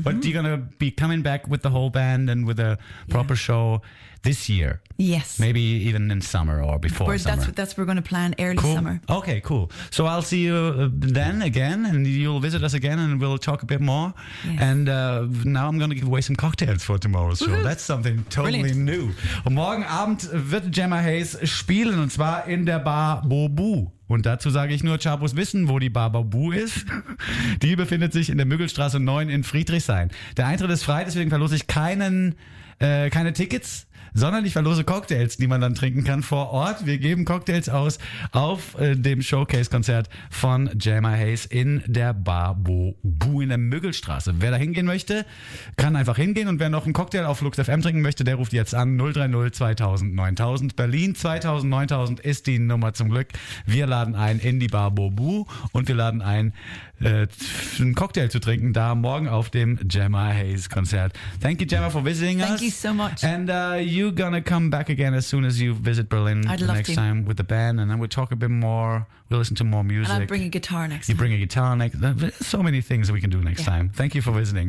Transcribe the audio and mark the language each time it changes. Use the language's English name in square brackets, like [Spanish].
[English] But you're going to be coming back with the whole band and with a proper show this year. Yes. Maybe even in summer or before summer. That's what we're going to plan early summer. Okay, cool. So I'll see you then again and you'll visit us again and we'll talk a bit more. Yes. And now I'm going to give away some cocktails for tomorrow's show. That's something totally new. [German] Und morgen Abend wird Gemma Hayes spielen und zwar in der Bar Bobu. Und dazu sage ich nur, Chabos wissen, wo die Bar Bobu ist. Die befindet sich in der Müggelstraße 9 in Friedrichshain. Der Eintritt ist frei, deswegen verlose ich keine Tickets. Sondern ich verlose Cocktails, die man dann trinken kann vor Ort. Wir geben Cocktails aus auf dem Showcase-Konzert von Gemma Hayes in der Bar Bobu in der Müggelstraße. Wer da hingehen möchte, kann einfach hingehen. Und wer noch einen Cocktail auf Lux FM trinken möchte, der ruft jetzt an 030 2000 9000. Berlin 2000 9000 ist die Nummer zum Glück. Wir laden ein in die Bar Bobu und wir laden ein, einen Cocktail zu trinken, da morgen auf dem Gemma Hayes Konzert. [English] Thank you, Gemma, for visiting us. Thank you so much. And you're gonna come back again as soon as you visit Berlin next time with the band, and then we'll talk a bit more. We'll listen to more music. And I'll bring a guitar next time. You bring a guitar next. So many things we can do next time. Thank you for visiting.